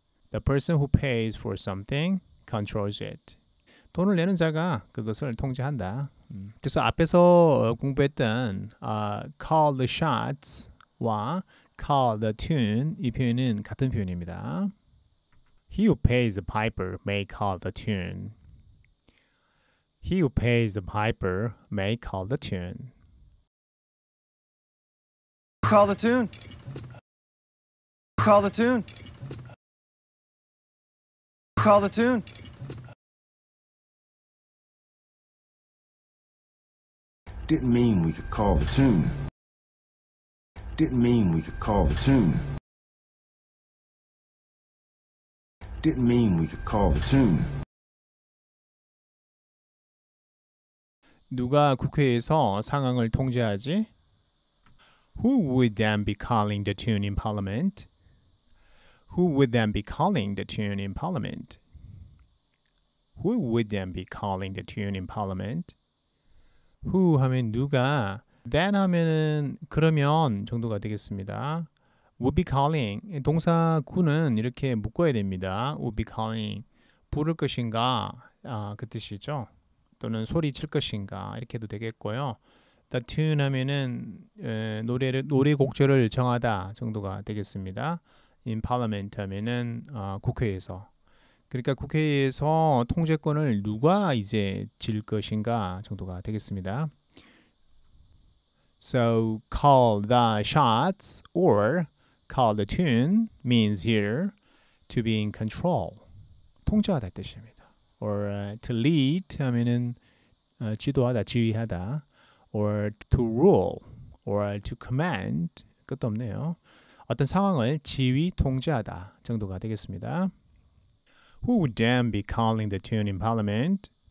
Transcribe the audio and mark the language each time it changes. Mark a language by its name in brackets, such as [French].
[English] The person who pays for something controls it. [Korean] 돈을 내는 자가 그것을 통제한다. 그래서 앞에서 공부했던 [English] call the shots [Korean] 와 [English] call the tune [Korean] 이 표현은 같은 표현입니다. [English] He who pays the piper may call the tune. He who pays the piper may call the tune. Call the tune. Call the tune. Call the tune. Didn't mean we could call the tune. Didn't mean we could call the tune. Didn't mean we could call the tune. [Korean] 누가 국회에서 상황을 통제하지? [English] Who would then be calling the tune in Parliament? Who would then be calling the tune in Parliament? Who would then be calling the tune in Parliament? [Korean] Who 하면 누가? Then 하면은 그러면 정도가 되겠습니다. [English] Would be calling. [Korean] 동사 구는 이렇게 묶어야 됩니다. [English] Would be calling. [Korean] 부를 것인가? 아, 그 뜻이죠. 또는 소리칠 것인가? 이렇게도 되겠고요. The tune 하면은 노래 곡조를 정하다 정도가 되겠습니다. [English] In Parliament [Korean] 하면은 국회에서. 그러니까 국회에서 통제권을 누가 이제 질 것인가 정도가 되겠습니다. [English] So call the shots or call the tune means here to be in control. [Korean] 통제하다 뜻입니다. [English] Or to lead [Korean] 하면은 지도하다, 지휘하다. [English] Or to rule, or to command, [Korean] 끝도 없네요. 어떤 상황을 지휘, 통제하다 정도가 되겠습니다. [English] Who would then be calling the tune in Parliament?